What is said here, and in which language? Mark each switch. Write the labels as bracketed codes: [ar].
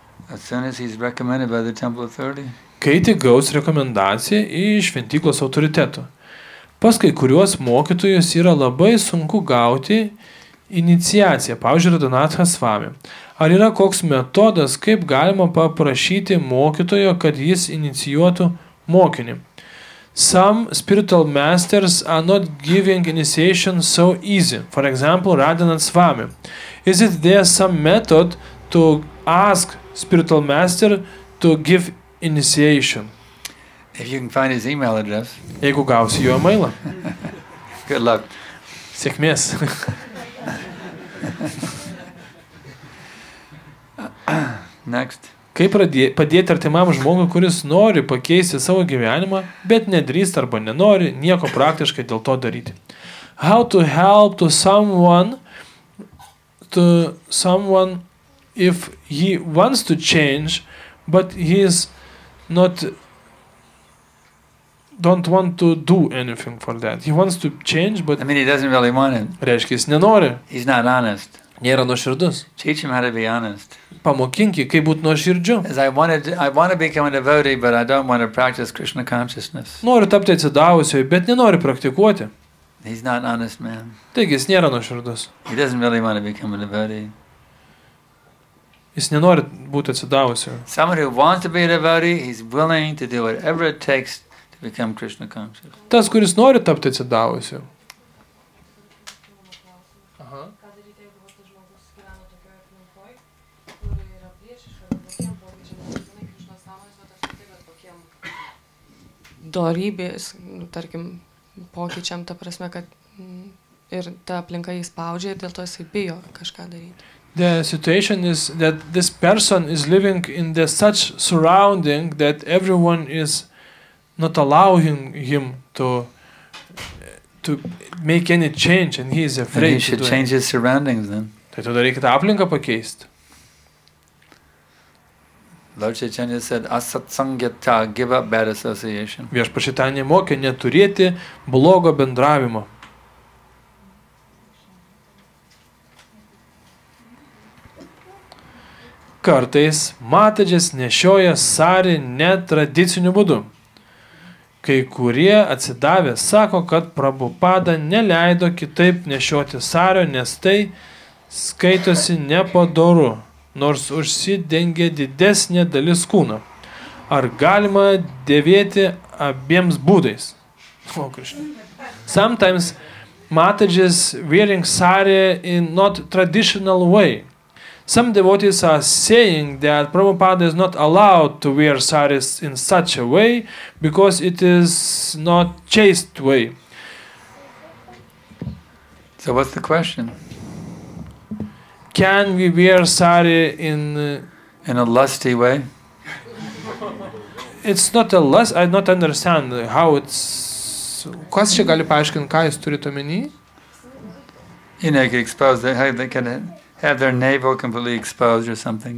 [en] As soon as he's recommended by the temple authority. [lt] Kai tik gaus rekomendaciją iš šventyklos autoritetų. Pas kai kuriuos mokytojus yra labai sunku gauti iniciaciją, pavyzdžiui, Radhanatha Swami. Ar yra koks metodas, kaip galima paprašyti mokytojo, kad jis inicijuotų mokinį? [en] Some spiritual masters are not giving initiation so easy. For example, Radhanath Swami. Is it there some method to ask spiritual master to give initiation? If you can find his email address. [lt] Jeigu gausi jo emailą. [en] Good luck. [lt] Sėkmės. [en] Next. [lt] Kaip padėti artimam žmogui, kuris nori pakeisti savo gyvenimą, bet nedrįst arba nenori nieko praktiškai dėl to daryti. [en] How to help to someone if he wants to change, but he is not don't want to do anything for that. He wants to change, but I mean he doesn't really want it. [lt] Reiškia, jis nenori. [en] He's not honest. [lt] Nėra nuoširdus. [en] Teach him how to be honest. [lt] Pamokinki, kaip būt nuoširdžiu. [en] As I want to become a devotee, but I don't want to practice Krishna consciousness. [lt] Noriu tapti atsidavusiu, bet nenoriu praktikuoti. [en] He's not honest man. [lt] Taigi, jis nėra nuoširdus. [en] He doesn't really want to become a devotee. [lt] Jis nenori būti atsidavusiu. [en] Someone who wants to be a devotee, he's willing to do whatever it takes to become Krishna conscious. [lt] Tas, kuris nori tapti atsidavusiu. Dorybės, tarkim, pokyčiam, ta prasme, kad ir ta aplinka jį spaudžia ir dėl to jisai bijo kažką daryti. [en] The situation is that this person is living in the such surrounding that everyone is not allowing him to make any change and he is afraid. And he should change his surroundings then. [lt] Tai tada reikia tą aplinką pakeisti. [en] Lord Chaitanya said, [sa] asat sangyata, [en] give up bad association. [lt] Viešpats Chaitanya mokė neturėti blogo bendravimo. Kartais matadžis nešioja sari netradiciniu būdu. Kai kurie atsidavę sako, kad Prabhupada neleido kitaip nešioti sario, nes tai skaitosi nepadoru. Nors užsidengia didesnė dalis kūno. Ar galima dėvėti abiems būdais? O, Krišna. [en] Sometimes Mataji is wearing sari in not traditional way. Some devotees are saying that Prabhupada is not allowed to wear saris in such a way because it is not chaste way. So what's the question? Can we wear sari in a lusty way? It's not a lust. I don't understand how it's. [lt] Kas čia gali paaiškinti, ką jis turi omeny? [en] You know, can expose them. How they can have their navel completely exposed or something.